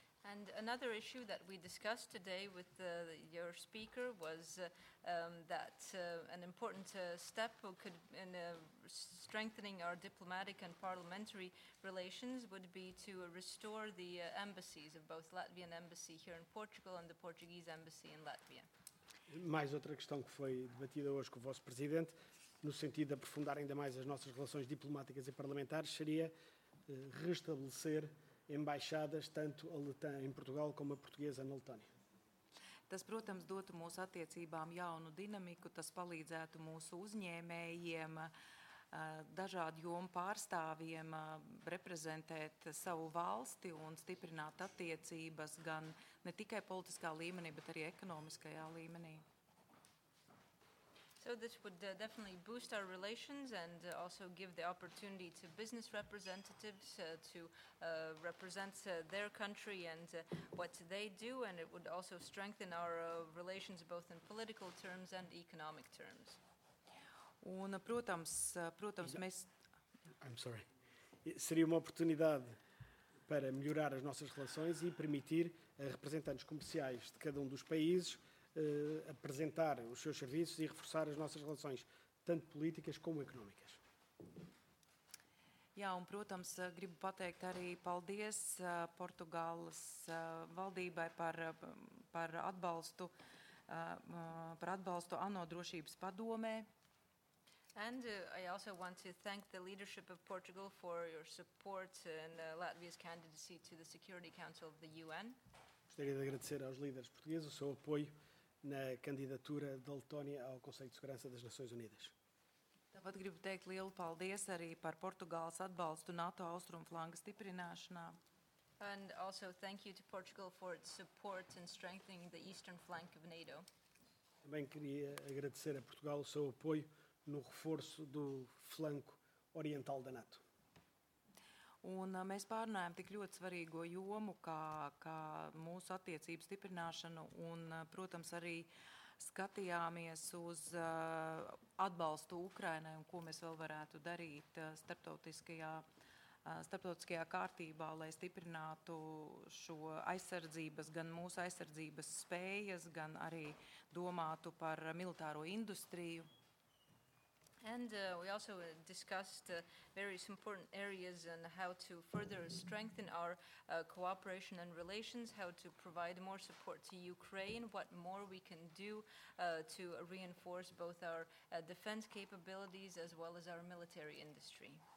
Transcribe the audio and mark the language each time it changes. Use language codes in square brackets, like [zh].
[en] And another issue that we discussed today with your speaker was that an important step could in strengthening our diplomatic and parliamentary relations would be to restore the embassies of both Latvian embassy here in Portugal and the Portuguese embassy in Latvia. [pt] Mais outra questão que foi debatida hoje com o vosso presidente, no sentido de aprofundar ainda mais as nossas relações diplomáticas e parlamentares, seria restabelecer embaixadas tanto a Letã em Portugal como a portuguesa na Letónia. [lv] Tas, protams, dotu mūsu attiecībām jaunu dinamiku, tas palīdzētu mūsu uzņēmējiem, dažādu jomu pārstāvjiem reprezentēt savu valsti un stiprināt attiecības gan ne tikai politiskā līmenī, bet arī ekonomiskajā līmenī. [en] So this would definitely boost our relations and also give the opportunity to business representatives to represent their country and what they do, and it would also strengthen our relations both in political terms and economic terms. [lv] Un, protams, mēs... [en] I'm sorry. [pt] Seria uma oportunidade para melhorar as nossas relações e permitir a representantes comerciais de cada dos países apresentar os seus serviços e reforçar as nossas relações, tanto políticas como económicas. [lv] Jā, un, protams, gribu pateikt arī paldies Portugāles valdībai par atbalstu ANO drošības padomē. [en] And I also want to thank the leadership of Portugal for your support in Latvia's candidacy to the Security Council of the UN. [pt] Gostaria de agradecer aos líderes portugueses o seu apoio na candidatura da Letónia ao Conselho de Segurança das Nações Unidas. [lv] Tāpat gribu teikt lielu paldies arī par Portugāles atbalstu NATO austrumflanga stiprināšanā. [en] And also thank you to Portugal for its support in strengthening the eastern flank of NATO. [pt] Também queria agradecer a Portugal o seu apoio no reforço do flanco oriental da NATO. [lv] Un mēs pārunājam tik ļoti svarīgo jomu, kā mūsu attiecību stiprināšanu un, protams, arī skatījāmies uz atbalstu Ukrainai un ko mēs vēl varētu darīt starptautiskajā kārtībā, lai stiprinātu šo aizsardzības, gan mūsu aizsardzības spējas, gan arī domātu par militāro industriju. [en] And we also discussed various important areas on how to further strengthen our cooperation and relations, how to provide more support to Ukraine, what more we can do to reinforce both our defense capabilities as well as our military industry.